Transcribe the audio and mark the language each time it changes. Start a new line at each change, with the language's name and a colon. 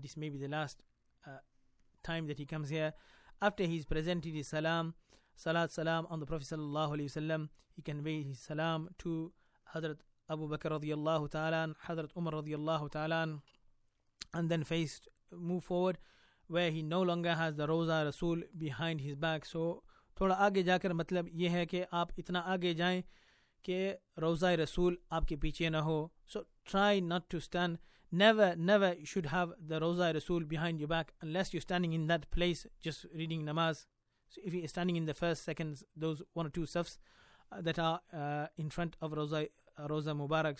English: This may be the last time that he comes here. After he's presented his salam on the Prophet sallallahu alayhi wa sallam, he conveyed his salam to Hazrat Abu Bakr radiallahu ta'ala and Hazrat Umar radiallahu ta'ala, and then move forward where he no longer has the Rauza Rasul behind his back.
Urdu: So تھوڑا آگے جا کر مطلب یہ ہے کہ آپ اتنا آگے جائیں کہ روضہ رسول آپ کے پیچھے نہ ہو.
English: So try not to stand never should have the Roza Rasul behind your back unless you're standing in that place just reading namaz. So if you're standing in the first, second, those one or two safs that are in front of Roza Mubarak.